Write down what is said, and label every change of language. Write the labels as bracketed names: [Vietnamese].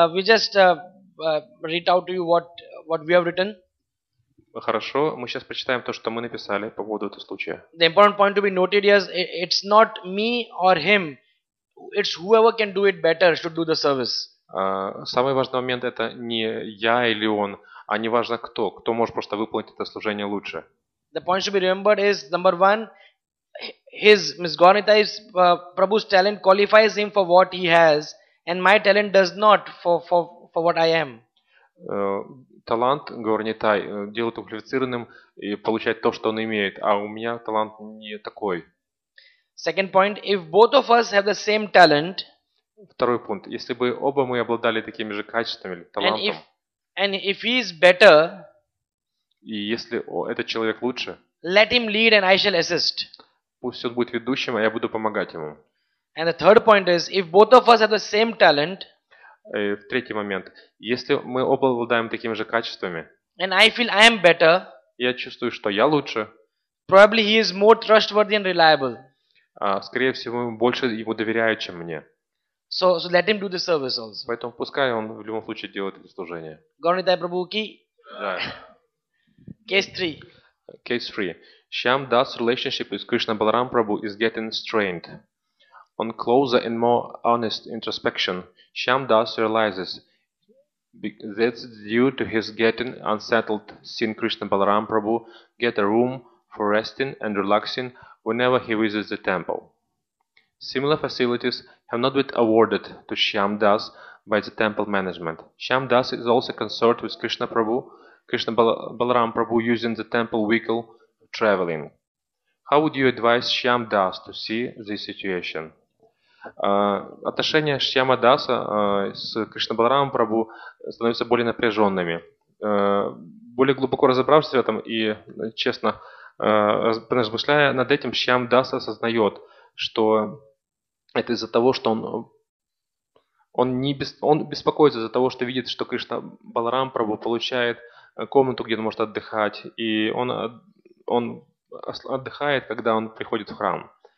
[English] We just read out to you what we have written. [Russian] Хорошо, мы сейчас прочитаем то, что мы написали по поводу этого случая. [English] The important point to be noted is it's not me or him. It's whoever can do it better should do the service. [Russian] Самый важный момент это не я или он, а не важно кто. Кто может просто выполнить это служение лучше. [English] The point to be remembered is number one, his Ms. Горни Тай Прабху's talent qualifies him for what he has. And my talent does not for what I am. [Russian] Талант Горни Тай делает его квалифицированным и получает то, что он имеет, а у меня талант не такой. [English] Second point, if both of us have the same talent. [Russian] Второй пункт, если бы оба мы обладали такими же качествами или талантом. [English] And if he is better. [Russian] И если этот человек лучше. [English] Let him lead and I shall assist. [Russian] Пусть он будет ведущим, а я буду помогать ему. [English] And the third point is, if both of us have the same talent. [Russian] В третий момент, если мы оба обладаем такими же качествами. [English] And I feel I am better. [Russian] Я чувствую, что я лучше. [English] Probably he is more trustworthy and reliable. [Russian] скорее всего, больше ему доверяют, чем мне. [English] So let him do the service also. [Russian] Поэтому пускай он в любом случае делает это служение. Горнитай Прабху ки? Да. [English] Case 3. Case 3. Shyam Das relationship with Krishna Balaram Prabhu is getting strained. On closer and more honest introspection, Shyam Das realizes that's due to his getting unsettled, seeing Krishna Balaram Prabhu get a room for resting and relaxing whenever he visits the temple. Similar facilities have not been awarded to Shyam Das by the temple management. Shyam Das is also concerned with Krishna Prabhu, Krishna Balaram Prabhu using the temple vehicle for traveling. How would you advise Shyam Das to see this situation? [Russian] Отношения Шьяма Даса с Кришна Баларамом Прабху становятся более напряженными. Более глубоко разобравшись в этом и честно размышляя над этим, Шьям Дас осознает, что это из-за того, что он беспокоится из-за того, что видит, что Кришна Баларам Прабху получает комнату, где он может отдыхать, и он отдыхает, когда он приходит в храм.